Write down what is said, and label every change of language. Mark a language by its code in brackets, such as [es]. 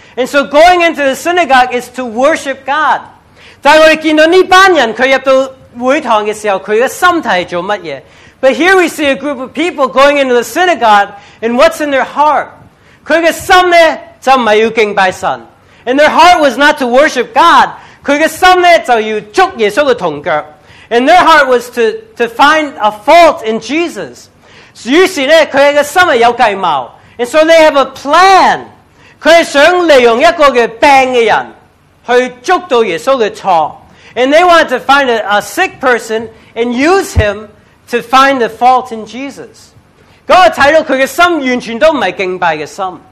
[en] And so going into the synagogue is to worship God. [zh] 但我们看到这班人，他入到 会堂的时候，他的心态是做什么？ [en] But here we see a group of people going into the synagogue, and what's in their heart? [zh] 他的心呢，就不是要敬拜神。 [en] And their heart was not to worship God. [zh] 他的心呢，就要捉耶稣的同脚。 [en] And their heart was to find a fault in Jesus. [zh] 于是呢，他的心有计谋。 [en] And so they have a plan. [zh] 他想利用一个病的人，去捉到耶稣的错。 [en] And they wanted to find a sick person and use him to find the fault in Jesus. [zh] 那个态度，他的心完全都不是敬拜的心。